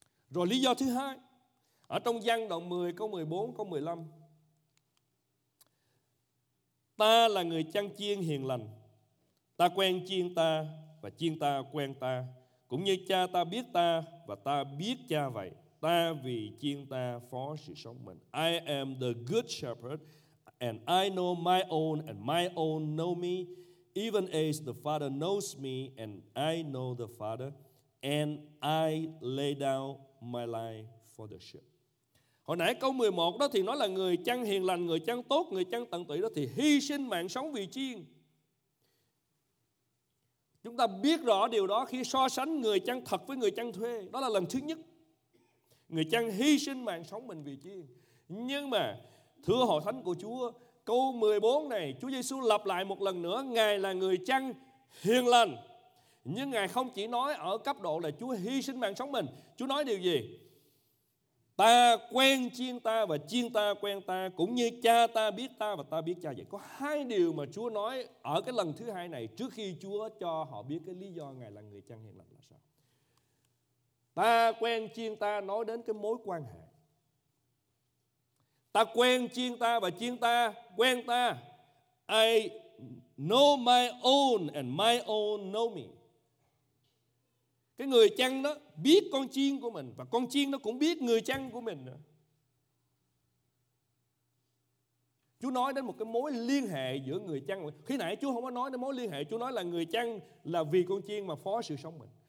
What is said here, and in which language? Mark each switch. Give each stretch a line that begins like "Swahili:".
Vietnamese: Rồi lý do thứ hai, ở trong Giăng đoạn 10 câu 14 câu 15: ta là người chăn chiên hiền lành, ta quen chiên ta và chiên ta quen ta, cũng như cha ta biết ta và ta biết cha vậy. Ta vì chiên ta phó sự sống mình.
English: I am the good shepherd, and I know my own, and my own know me, even as the Father knows me, and I know the Father, and I lay down my life for the sheep.
Vietnamese: Hồi nãy câu 11 đó thì nói là người chăn hiền lành, người chăn tốt, người chăn tận tụy đó thì hy sinh mạng sống vì chiên. Chúng ta biết rõ điều đó khi so sánh người chăn thật với người chăn thuê. Đó là lần thứ nhất người chăn hy sinh mạng sống mình vì chiên. Nhưng mà thưa hội thánh của Chúa, câu 14 này Chúa Giêsu lặp lại một lần nữa, Ngài là người chăn hiền lành. Nhưng Ngài không chỉ nói ở cấp độ là Chúa hy sinh mạng sống mình. Chúa nói điều gì? Ta quen chiên ta và chiên ta quen ta, cũng như cha ta biết ta và ta biết cha vậy. Có hai điều mà Chúa nói ở cái lần thứ hai này, trước khi Chúa cho họ biết cái lý do Ngài là người chăn hiền lành là sao. Ta quen chiên ta nói đến cái mối quan hệ. Ta quen chiên ta và chiên ta quen ta.
English: I know my own and my own know me.
Vietnamese: Cái người chăn đó biết con chiên của mình, và con chiên nó cũng biết người chăn của mình nữa. Chú nói đến một cái mối liên hệ giữa người chăn. Khi nãy chú không có nói đến mối liên hệ, chú nói là người chăn là vì con chiên mà phó sự sống mình.